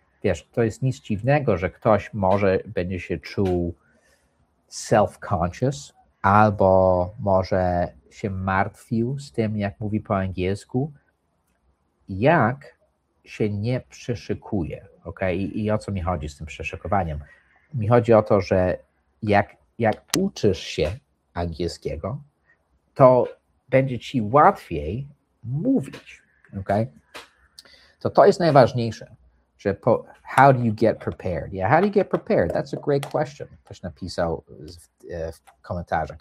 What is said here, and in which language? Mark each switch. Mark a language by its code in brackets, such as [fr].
[pl] Wiesz, to jest nic dziwnego, że ktoś może będzie się czuł self-conscious, albo może się martwił z tym, jak mówi po angielsku, jak się nie przeszykuje. Okay? I o co mi chodzi z tym przeszykowaniem? Mi chodzi o to, że jak uczysz się angielskiego, to będzie ci łatwiej mówić. Okay? To jest najważniejsze. [en] Że how do you get prepared? Yeah, how do you get prepared? That's a great question. [pl] Ktoś napisał w komentarzach.